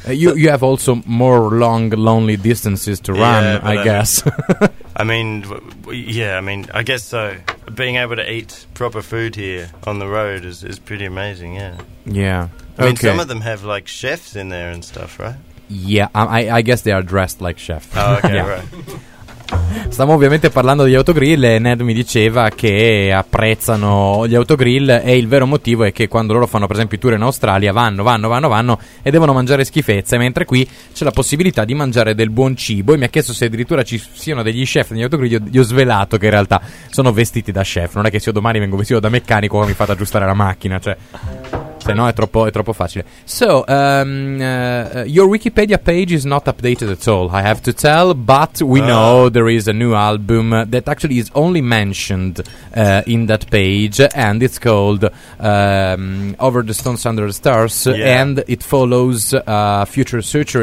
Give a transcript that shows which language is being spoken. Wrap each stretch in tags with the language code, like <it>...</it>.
<en>You have also more long, lonely distances to run, I guess. I guess so. Being able to eat proper food here on the road is pretty amazing, yeah. Yeah. I mean, some of them have, like, chefs in there and stuff, right? Yeah, I guess they are dressed like chefs. Oh, okay, yeah. Right.</en> <it>Stiamo ovviamente parlando di autogrill e Ned mi diceva che apprezzano gli autogrill e il vero motivo è che quando loro fanno per esempio i tour in Australia vanno e devono mangiare schifezze, mentre qui c'è la possibilità di mangiare del buon cibo, e mi ha chiesto se addirittura ci siano degli chef negli autogrill. Gli ho svelato che in realtà sono vestiti da chef, non è che se io domani vengo vestito da meccanico mi fate aggiustare la macchina, cioè... Se no è troppo facile.</it> <en>So, your Wikipedia page is not updated at all, I have to tell, but we know there is a new album that actually is only mentioned in that page, and it's called Over the Stones Under the Stars, and it follows Future Searcher.</en>